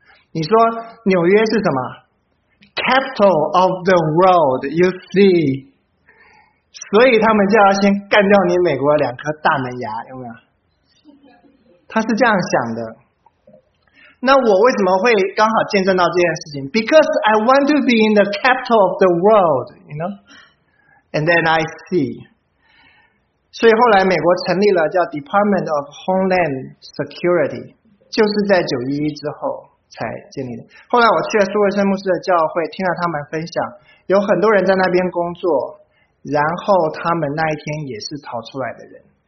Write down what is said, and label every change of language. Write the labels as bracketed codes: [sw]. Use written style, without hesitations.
[zh] 你说纽约是什么 [en] Capital of the world, you see, [zh] 所以他们就要先干掉你美国的两颗大门牙，有没有？他是这样想的。那我为什么会刚好见证到这件事情？ [en] Because I want to be in the capital of the world, you know? And then I see. [zh] 所以后来美国成立了叫 Department of Homeland Security, 就是在911之后才建立的。后来我去了苏维森牧师的教会，听了他们分享，有很多人在那边工作，然后他们那一天也是逃出来的人。